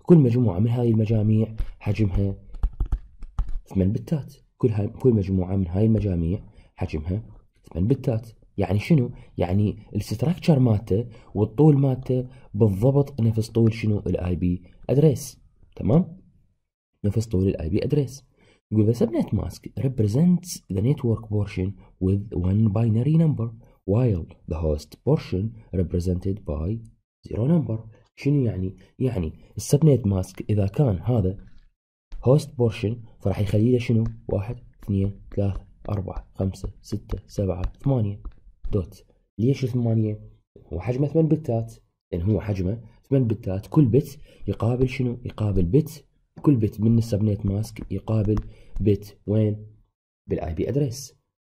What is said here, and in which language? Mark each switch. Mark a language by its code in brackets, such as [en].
[ar] كل مجموعة من هذه المجاميع حجمها 8 بتات. كل مجموعة من هذه المجاميع حجمها 8 بتات. يعني شنو؟ يعني الستراكشر مالته والطول مالته بالضبط نفس طول شنو؟ الاي بي ادريس، تمام؟ نفس طول الاي بي ادريس. يقول [en] the subnet mask represents the network portion with one binary number while the host portion represented by zero number. [ar] شنو يعني؟ يعني السبنت ماسك اذا كان هذا host portion فراح يخلي له شنو؟ 1 2 3 4 5 6 7 8 دوت. ليش 8؟ هو حجمه 8 بتات، لان هو حجمه 8 بتات، كل بت يقابل شنو؟ يقابل بت، كل بت من السبنت ماسك يقابل بت وين؟ بالاي بي ادريس.